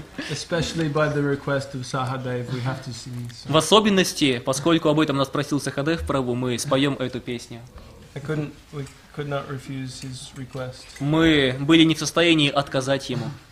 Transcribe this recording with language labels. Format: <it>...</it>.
<en>Especially by the request of Sahadev, we have to sing.</en> <ru>В особенности, поскольку об этом нас просил Sahadev Prabhu, мы споем эту песню.</ru> <en>We could not refuse his request.</en> <ru>Мы были не в состоянии отказать ему.</ru>